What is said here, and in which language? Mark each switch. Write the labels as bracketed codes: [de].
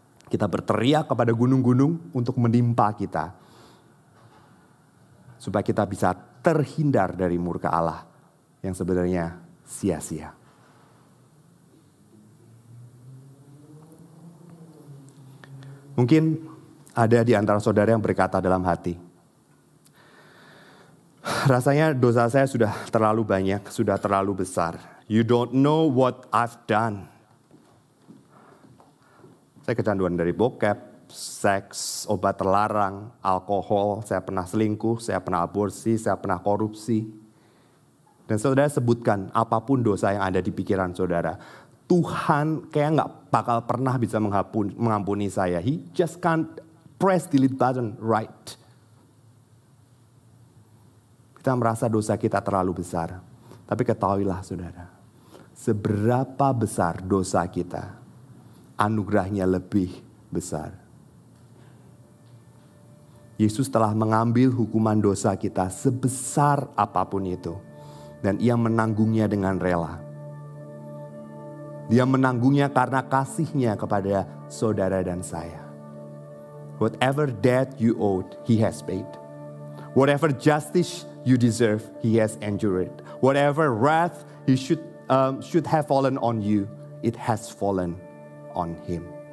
[id] Kita berteriak kepada gunung-gunung untuk menimpa kita, supaya kita bisa terhindar dari murka Allah yang sebenarnya sia-sia. Mungkin ada di antara saudara yang berkata dalam hati, rasanya dosa saya sudah terlalu banyak, sudah terlalu besar. [en] You don't know what I've done. [id] Saya kecanduan dari bokep, seks, obat terlarang, alkohol, saya pernah selingkuh, saya pernah aborsi, saya pernah korupsi. Dan saudara sebutkan apapun dosa yang ada di pikiran saudara, Tuhan kayak gak bakal pernah bisa mengampuni saya. [en] He just can't press delete button right. [id] Kita merasa dosa kita terlalu besar. Tapi ketahuilah saudara, seberapa besar dosa kita, anugerahnya lebih besar. Yesus telah mengambil hukuman dosa kita sebesar apapun itu. Dan ia menanggungnya dengan rela. Dia menanggungnya karena kasihnya kepada saudara dan saya. [en] Whatever debt you owed, he has paid. Whatever justice you deserve, he has endured. Whatever wrath he should have fallen on you, it has fallen on him.